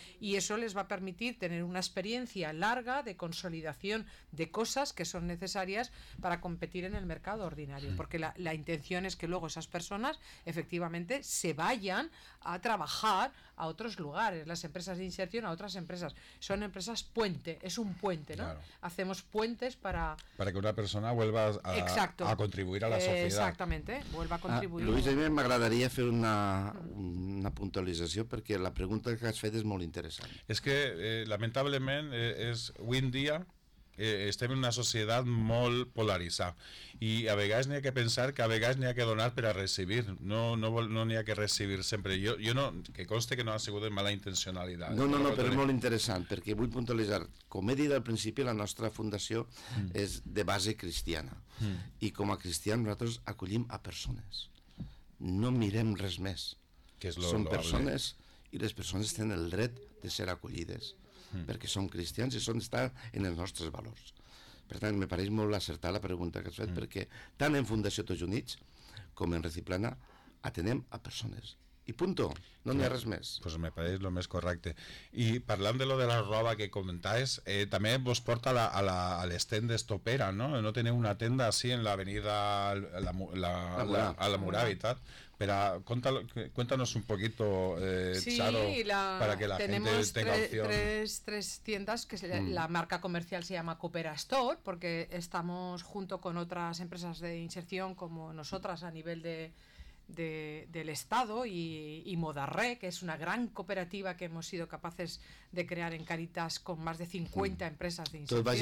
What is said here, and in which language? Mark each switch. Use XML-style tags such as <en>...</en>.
<es>y eso les va a permitir tener una experiencia larga de consolidación de cosas que son necesarias para competir en el mercado ordinario, porque la intención es que luego esas personas efectivamente se vayan a trabajar a otros lugares, las empresas de inserción a otras empresas. Son empresas puente, es un puente, ¿no? Claro. Hacemos puentes para que una persona vuelva a contribuir a la sociedad. Exactamente, vuelva a contribuir.</es> <ca>Luis, a mí m'agradaria fer una puntualització, perquè la pregunta que has fet és molt interessant. És que, lamentablement, avui en dia estem en una societat molt polaritzada i a vegades n'hi ha que pensar que a vegades n'hi ha que donar per a recibir. No n'hi ha que recibir sempre. Jo no, que conste que no ha sigut de mala intencionalitat. No, però és molt interessant, perquè vull puntualitzar. Com he dit al principi, la nostra fundació és de base cristiana. I com a cristians nosaltres acollim a persones. No mirem res més. Que és són persones i les persones tenen el dret de ser acollides. Perquè són cristians i són estar en els nostres valors. Per tant, me pareix molt acertar la pregunta que has fet, perquè tant en Fundació Tots Units com en Reciplana atenem a persones. I punto, no n'hi ha res més. Pues me pareix lo més correcte. I parlant de lo de la roba que comentaves, també vos porta a l'estend d'Estopera, no? No teniu una tenda així en l'avenida a la Moràvita.</ca> <es>Pero cuéntanos un poquito, Charo, para que la gente tenga opción. Tenemos tres tiendas, que la marca comercial se llama Coopera Store, porque estamos junto con otras empresas de inserción como nosotras a nivel del Estado y Modarre, que es una gran cooperativa que hemos sido capaces de crear en Cáritas con más de 50 empresas de inserción.</es>